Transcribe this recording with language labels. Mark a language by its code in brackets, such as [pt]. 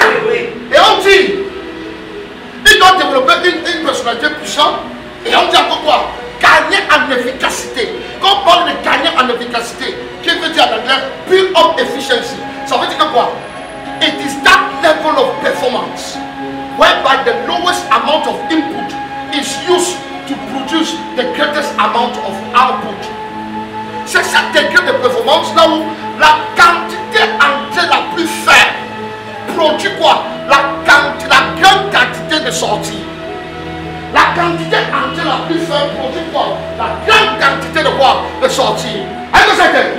[fr] Et on dit, il doit développer une personnalité puissante. Et on dit encore quoi? Gagner en efficacité. Quand on parle de gagner en efficacité, qui veut dire en anglais, [en] build up efficiency. [fr] Ça veut dire quoi? [en] It is that level of performance whereby the lowest amount of input is used to produce the greatest amount of output. [fr] C'est ce degré de performance là où la quantité entrée la plus faible produit quoi? La grande quantité de sortie. La quantité entrée la plus faible produit quoi? La grande quantité de quoi? De sortie. Allez-vous savez?